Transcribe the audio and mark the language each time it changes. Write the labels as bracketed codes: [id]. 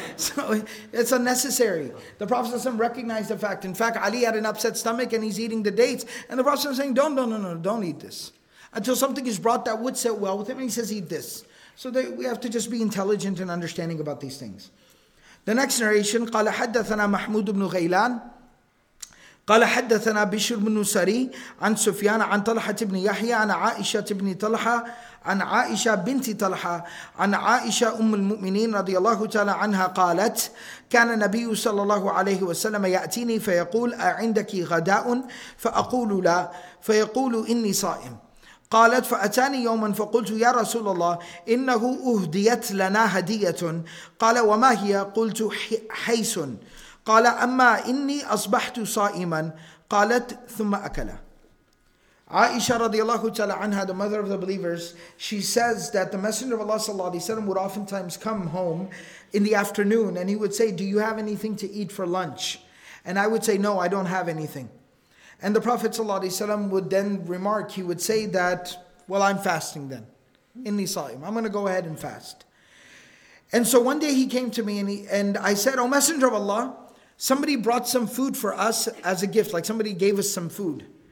[en] So it's unnecessary. The Prophet ﷺ recognized the fact. In fact, Ali had an upset stomach and he's eating the dates, and the Prophet ﷺ is saying, don't eat this. Until something is brought that would sit well with him, and he says, eat this. So we have to just be intelligent and understanding about these things. The next narration, [ar] قَالَ حَدَّثَنَا مَحْمُودُ بْنُ غَيْلَانَ قال حدثنا بشر بن سري عن سفيان عن طلحة بن يحيى عن عائشة بن طلحة عن عائشة بنت طلحة عن عائشة أم المؤمنين رضي الله تعالى عنها قالت كان النبي صلى الله عليه وسلم يأتيني فيقول أعندك غداء فأقول لا فيقول إني صائم قالت فأتاني يوما فقلت يا رسول الله إنه أهديت لنا هدية قال وما هي قلت حيس قال أما إني أصبحت صائما قالت ثم أكل عائشة رضي الله تعالى عنها, [en] the mother of the believers, she says that the Messenger of Allah sallallahu alaihi wasallam would oftentimes come home in the afternoon, and he would say, "Do you have anything to eat for lunch?" And I would say, "No, I don't have anything." And the Prophet sallallahu alaihi wasallam would then remark, he would say that, "Well, I'm fasting then, [ar] إني صائم, [en] I'm going to go ahead and fast." And so one day he came to me and I said, "Oh, Messenger of Allah, somebody brought some food for us as a gift, like somebody gave us some food."